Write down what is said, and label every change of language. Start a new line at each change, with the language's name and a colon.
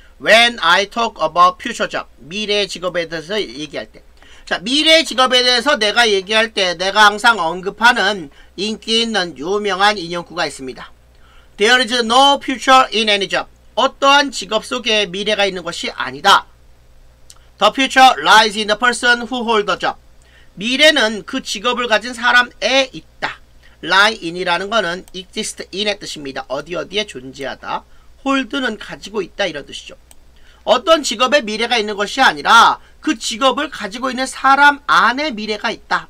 English: When I talk about future job.
Korean: 미래 직업에 대해서 얘기할 때. 자, 미래 직업에 대해서 내가 얘기할 때 내가 항상 언급하는 인기 있는 유명한 인용구가 있습니다.
English: There is no future in any job.
Korean: 어떠한 직업 속에 미래가 있는 것이 아니다.
English: The future lies in the person who holds the job.
Korean: 미래는 그 직업을 가진 사람에 있다. lie in이라는 것은 exist in의 뜻입니다. 어디 어디에 존재하다. hold는 가지고 있다 이런 뜻이죠. 어떤 직업에 미래가 있는 것이 아니라 그 직업을 가지고 있는 사람 안에 미래가 있다.